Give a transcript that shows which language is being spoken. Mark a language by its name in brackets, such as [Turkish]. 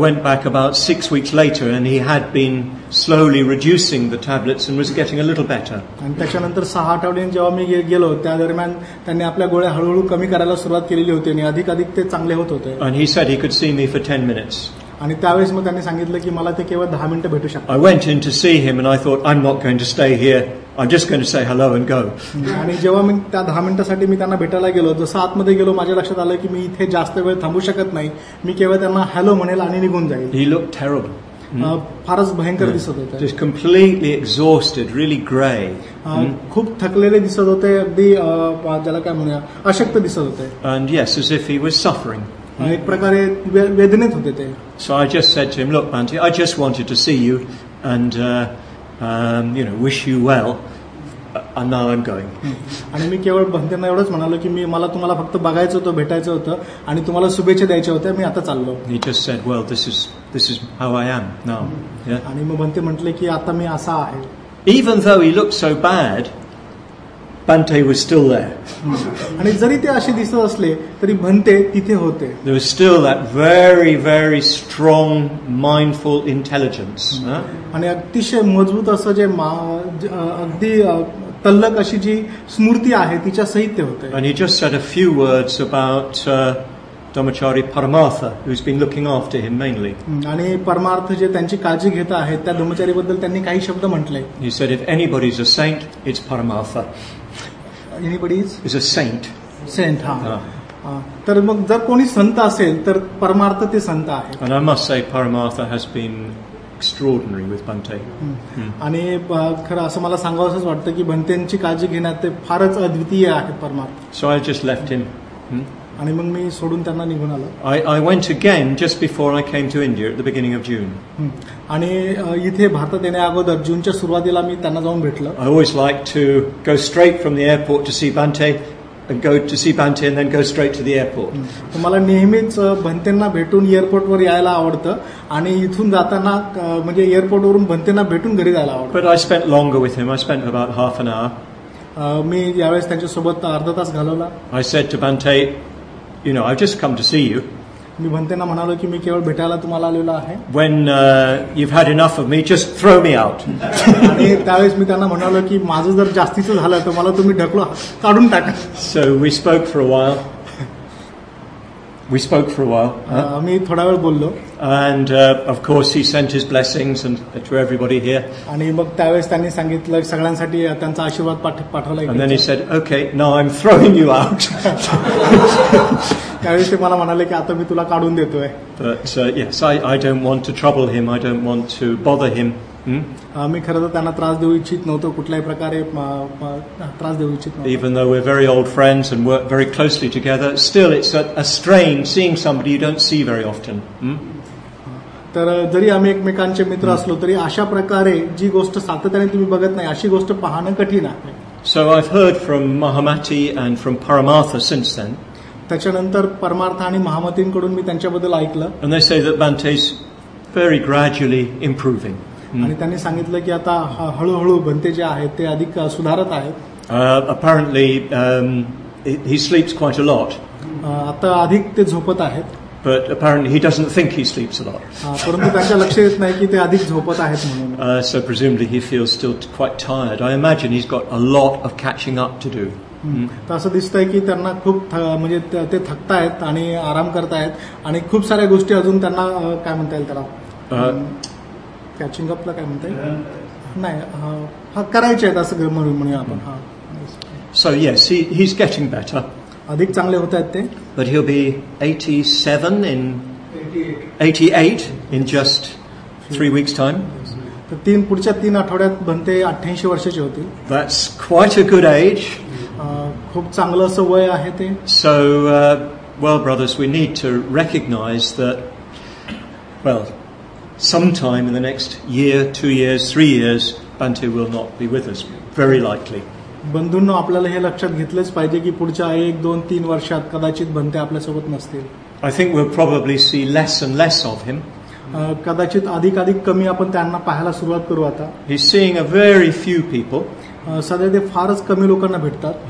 [English] went back about 6 weeks later and he had been slowly reducing the tablets and was getting a little better. And he said he could see me for 10 minutes. [Marathi] आणि त्यावेळेस मग त्यांनी सांगितलं की मला ते केवळ 10 मिनिटं भेटू शकतात. [English] I went in to see him and I thought I'm not going to stay here. I'm just going to say hello and go. [Marathi] आणि जेव्हा मी त्या 10 मिनिटांसाठी मी त्यांना भेटायला गेलो जसं आतमध्ये गेलो माझ्या लक्षात आलं की मी इथे जास्त वेळ थांबू शकत नाही. मी केवळ त्यांना हॅलो म्हणेल आणि निघून जाईल. [English] He looked terrible. [Marathi] फारच भयंकर दिसत होते. [English] Just completely exhausted, really grey. [Marathi] खूप थकलेले दिसत होते. अगदी ज्याला काय म्हणूया अशक्त दिसत होते. [English] And yes, as if he was suffering. [Marathi] एक प्रकारे वेदनेत होते ते. [English] So I just said to him, look, Bhante, I just wanted to see you and wish you well. And now I'm going. [Marathi] आणि मी केवळ भंतेना एवढंच म्हणालो की मी मला तुम्हाला फक्त बघायचं होतं, भेटायचं होतं आणि तुम्हाला शुभेच्छा द्यायच्या होत्या, मी आता चाललो. [English] He just said, well, this is how I am now. [Marathi] आणि मग भंते म्हटले की आता मी असा आहे. [English] Even though he looked so bad, Bhante was still there. [Marathi] आणि जरी ते असे दिसत असले तरी भंते तिथे होते. [English] There was still that very, very strong, mindful intelligence. [Marathi] आणि अतिशय मजबूत असं जे अगदी तल्लक अशी जी स्मृती आहे तिच्या सहित होते. [English] And he just said a few words about Dhammachari Paramartha, who's been looking after him mainly. [Marathi] आणि परमार्थ जे त्यांची काळजी घेत आहेत त्या धर्मचारी बद्दल त्यांनी काही शब्द म्हटले. [English] He said, if anybody is a saint, it's Paramartha. Anybody is a saint. Saint, ha. [Marathi] तर मग जर कोणी संत असेल तर परमार्थ ते संत आहे. [English] And I must say, Paramartha has been extraordinary with Bhante. [Marathi] आणि खरं असं मला सांगावंसंच वाटतं की भंतेंची काळजी घेण्यात ते फारच अद्वितीय आहे परमार्थ. [English] So I just left him. [Marathi] आणि मग मी सोडून त्यांना निघून आलो. [English] I went again just before I came to India at the beginning of June. [Marathi] आणि इथे भारतात येण्या अगोदर जूनच्या सुरुवातीला मी त्यांना जाऊन भेटलो. [English] I always like to go straight from the airport to see Bhante and go to see Bhante and then go straight to the airport. [Marathi] मला नेहमीच भंतेंना भेटून एअरपोर्ट वर यायला आवडतं आणि इथून जाताना म्हणजे एअरपोर्ट वरून भंतेंना भेटून घरी जायला आवडतं. [English] But I spent longer with him. I spent about half an hour. [Marathi] मी यावेळेस त्यांच्यासोबत अर्धा तास घालवला. [English] I said to Bhante, you know, I've just come to see you. [Marathi] मी भंतेंना म्हणालो की मी केवळ भेटायला तुम्हाला आलेलो आहे. [English] When you've had enough of me, just throw me out. [Marathi] आणि त्यावेळेस मी त्यांना म्हणालो की माझं जर जास्तीच झालं तर मला तुम्ही ढकलो काढून टाका. [English] So we spoke for a while. [Marathi] मी थोडा वेळ बोललो. [English] And of course he sent his blessings and to everybody here. [Marathi] आणि मग त्यावेळेस त्यांनी सांगितलं सगळ्यांसाठी त्यांचा आशीर्वाद पाठवला. [English] And then he said, okay, now I'm throwing you out. [Marathi] त्यावेळेस ते मला म्हणाले की आता मी तुला काढून देतोय. [English] But yes, I don't want to trouble him. I don't want to bother him. [Marathi] मी खरं तर त्यांना त्रास देऊ इच्छित नव्हतो कुठल्याही प्रकारे त्रास देऊ इच्छित नव्हतो. [English] Even though we're very old friends and work very closely together, still it's a strain seeing somebody you don't see very often. [Marathi] तर जरी आम्ही एकमेकांचे मित्र असलो तरी अशा प्रकारे जी गोष्ट सातत्याने तुम्ही बघत नाही अशी गोष्ट पाहणं कठीण आहे. [English] So I've heard from Mahamati and from Paramartha since then. [Marathi] त्याच्यानंतर परमार्थ आणि महामतींकडून मी त्यांच्याबद्दल ऐकलं. [English] And they say that Bhante is very gradually improving. [Marathi] आणि त्यांनी सांगितलं की आता हळूहळू भंते जे आहेत ते अधिक सुधारत आहेत. [English] Apparently he sleeps quite a lot. [Marathi] आता अधिक ते झोपत आहेत. [English] But apparently he doesn't think he sleeps a lot. [Marathi] परंतु त्याच्या लक्षात येत नाही की ते अधिक झोपत आहेत म्हणून. [English] So presumably he feels still quite tired. I imagine he's got a lot of catching up to do. [Marathi] असं दिसतंय की त्यांना खूप म्हणजे ते थकतायत आणि आराम करतायत आणि खूप साऱ्या गोष्टी अजून त्यांना काय म्हणता येईल त्याला कॅचिंग अपला काय म्हणताय नाही हा करायचे आहेत असं म्हणून म्हणूया आपण. [English] So yes he is getting better. [Marathi] अधिक चांगले होत आहेत ते. [English] But he will be 87 in 88 in just 3 weeks time. [Marathi] तर तीन पुढच्या तीन आठवड्यात बनते 88 वर्षाचे होतील. [English] That's quite a good age. [Marathi] खूप चांगलं असं वय आहे ते. [English] So well brothers we need to recognise that well sometime in the next year, 2 years, 3 years, Bantu will not be with us, very likely. [Marathi] बंधूंनो आपल्याला हे लक्षात घेतलंच पाहिजे की पुढच्या 1-2-3 वर्षात कदाचित बंते आपल्यासोबत नसतील. [English] I think we'll probably see less and less of him. [Marathi] कदाचित अधिक अधिक कमी आपण त्यांना पाहायला सुरुवात करू आता. [English] He's seeing a very few people. [Marathi] सध्या ते फारच कमी लोकांना भेटतात.